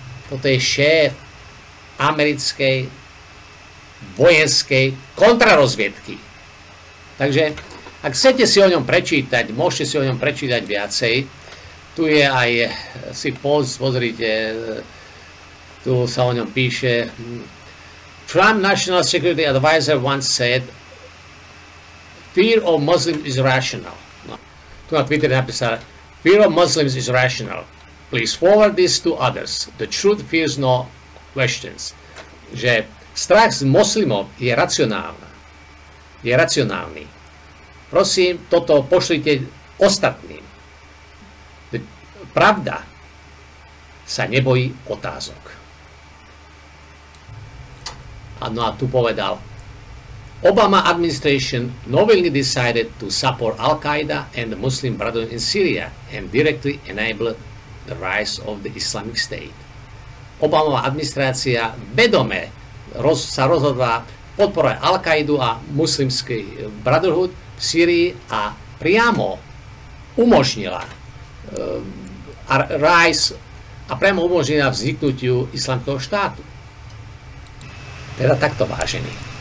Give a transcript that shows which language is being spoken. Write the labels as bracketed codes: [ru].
[sk] Toto je šéf americkej vojenskej kontrarozviedky. Takže ak chcete si o ňom prečítať, môžete si o ňom prečítať viacej. Tu je aj, si pozrite, tu sa o ňom píše. [en] Trump National Security Advisor once said, fear of Muslims is rational. No. [sk] Tu na Twitter napísal, [en] fear of Muslims is rational. Please forward this to others. The truth fears no questions. [sk] Že strach z moslimov je racionálny. prosím, toto pošlite ostatným. Pravda sa nebojí otázok. A no a tu povedal, [en] Obama administration knowingly decided to support Al-Qaeda and the Muslim Brotherhood in Syria and directly enabled the rise of the Islamic State. [sk] Obamová administrácia vedome sa rozhodla podporovať Al-Qaeda a Muslimský Brotherhood v Syrii a priamo umožnila rise a priamo umožnila vzniknutiu Islamského štátu. Teda takto vážený.